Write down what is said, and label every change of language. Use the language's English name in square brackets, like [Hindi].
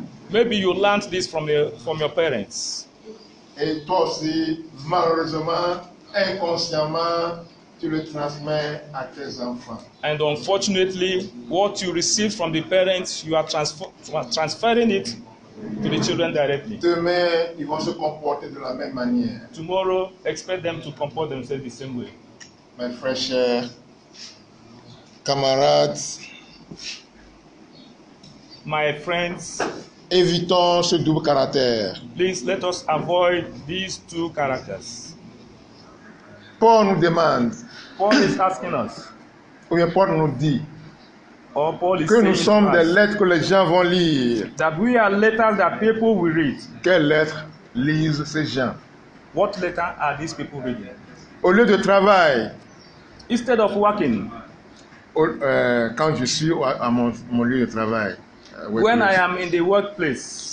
[English] Maybe you learned this from your parents. [French] Et toi aussi, malheureusement, inconsciemment, tu le transmets à tes enfants. [English] And unfortunately, what you receive from the parents, you are transferring it to the children directly. [French] Demain, ils vont se comporter de la même manière. [English] Tomorrow, expect them to comport themselves the same way. [French] Mes frères, chers, camarades, [English] my friends. [French] Évitons ce double caractère. [English] Please let us avoid these two characters. [French] Paul nous demande. [English] Paul is asking us. [French] Oui, Paul nous dit. [English] Or Paul is [French] que nous sommes des lettres que les gens vont lire. [English] That we are letters that people will read. [French] Quelles lettres lisent ces gens? [English] What letter are these people reading? [French] Au lieu de travail. [English] Instead of working. [French] Quand je suis à mon lieu de travail. [English] When I am in the workplace,